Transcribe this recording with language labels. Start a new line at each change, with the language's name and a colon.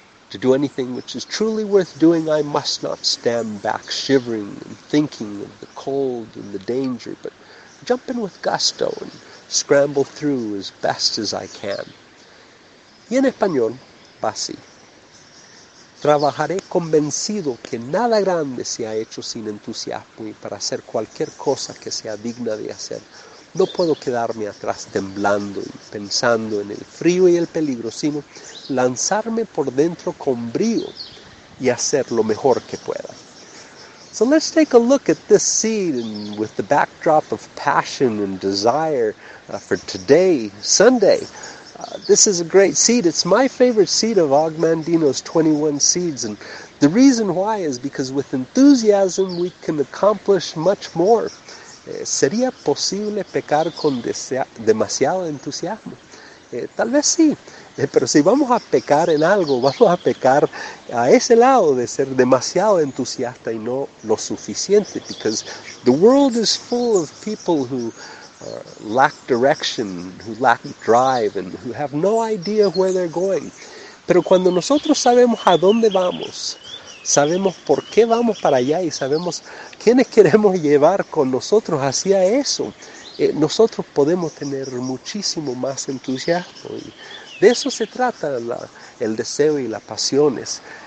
English: To do anything which is truly worth doing, I must not stand back shivering and thinking of the cold and the danger, but jump in with gusto and scramble through as best as I can.
Spanish: Y en español, va así. Trabajaré convencido que nada grande se ha hecho sin entusiasmo y para hacer cualquier cosa que sea digna de hacer. No puedo quedarme atrás temblando y pensando en el frío y el peligro, sino lanzarme por dentro con brío y hacer lo mejor que pueda.
English: So let's take a look at this seed and with the backdrop of passion and desire for today, Sunday. This is a great seed. It's my favorite seed of Ogmandino's 21 seeds. And the reason why is because with enthusiasm we can accomplish much more.
Spanish: ¿Sería posible pecar con demasiado entusiasmo? Tal vez sí, pero si vamos a pecar en algo, vamos a pecar a ese lado de ser demasiado entusiasta y no lo suficiente.
English: Because the world is full of people who lack direction, who lack drive, and who have no idea where they're going.
Spanish: Pero cuando nosotros sabemos a dónde vamos, sabemos por qué vamos para allá y sabemos quiénes queremos llevar con nosotros hacia eso. Nosotros podemos tener muchísimo más entusiasmo. Y de eso se trata el deseo y las pasiones.